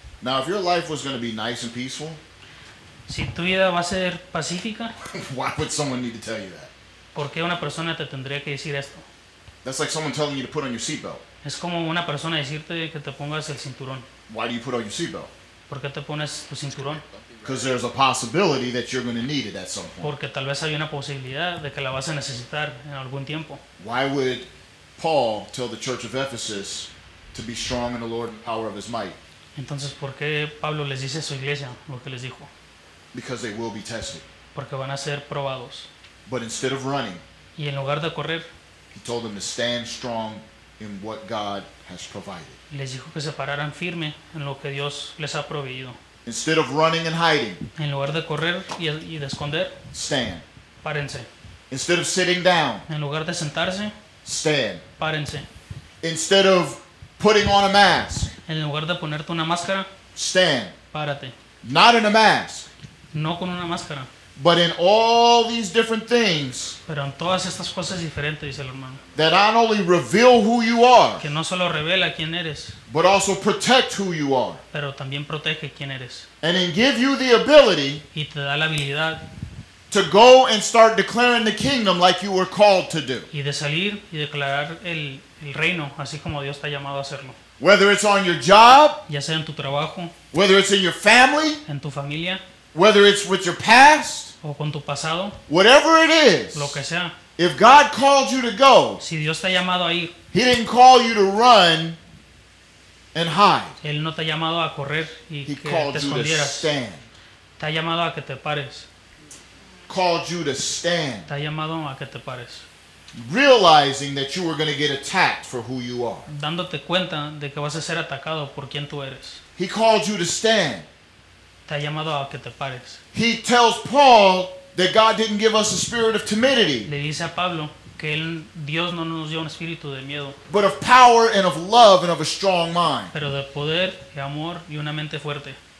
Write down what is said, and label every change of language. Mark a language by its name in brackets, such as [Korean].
[English] Now, if your life was going to be nice and peaceful, [Spanish] si tu vida va a ser pacífica, [English] why would someone need to tell you that? [Spanish] ¿Por qué una persona te tendría que decir esto? [English] That's like someone telling you to put on your seatbelt. [Spanish] Es como una persona decirte que te pongas el cinturón. [English] Why do you put on your seatbelt? [Spanish] ¿Por qué te pones tu cinturón? [English] Because there's a possibility that you're going to need it at some point. [Spanish] Porque tal vez hay una posibilidad de que la vas a necesitar en algún tiempo. [English] Why would Paul tell the church of Ephesus to be strong in the Lord and power of his might? [Spanish] Entonces, ¿por qué Pablo les dice a su iglesia lo que les dijo? [English] Because they will be tested. [Spanish] Porque van a ser probados. [English] But instead of running, [Spanish] y en lugar de correr, [English] he told them to stand strong in what God has provided. [Spanish] Les dijo que se pararan firme en lo que Dios les ha proveído. [English] Instead of running and hiding, [Spanish] en lugar de correr y de esconder, [English] stand. [Spanish] Párense. [English] Instead of sitting down, [Spanish] en lugar de sentarse, [English] stand. [Spanish] Párense. [English] Instead of putting on a mask, [Spanish] en lugar de ponerte una máscara, [English] stand. [Spanish] Párate. [English] Not in a mask, [Spanish] no con una máscara, [English] but in all these different things, [Spanish] pero en todas estas cosas diferentes, dice el hermano, [English] that not only reveal who you are, [Spanish] que no solo revela quién eres, [English] but also protect who you are, [Spanish] pero también protege quién eres, [English] and then give you the ability, [Spanish] y te da la habilidad, [English] to go and start declaring the kingdom like you were called to do, [Spanish] y de salir y declarar el reino así como Dios te ha llamado a hacerlo. [English] Whether it's on your job, [Spanish] ya sea en tu trabajo, [English] whether it's in your family, [Spanish] en tu familia, [English] whether it's with your past, [Spanish] o con tu pasado, [English] whatever it is, [Spanish] lo que sea, [English] if God called you to go, [Spanish] si Dios te ha llamado a ir, [English] he didn't call you to run and hide. [Spanish] Él no te ha llamado a correr y [English] he called [Spanish] te escondieras. [English] You to stand. [Spanish] Te ha llamado a que te pares. [English] Called you to stand. [Spanish] Te ha llamado a que te pares. [English] Realizing that you were going to get attacked for who you are. [Spanish] Dándote cuenta de que vas a ser atacado por quien tú eres. [English] He called you to stand. [Spanish] Te ha llamado a que te pares. [English] He tells Paul that God didn't give us a spirit of timidity. [Spanish] Le dice a Pablo que él, Dios no nos dio un espíritu de miedo. [English] But of power and of love and of a strong mind. [Spanish] Pero de poder y amor y una mente fuerte.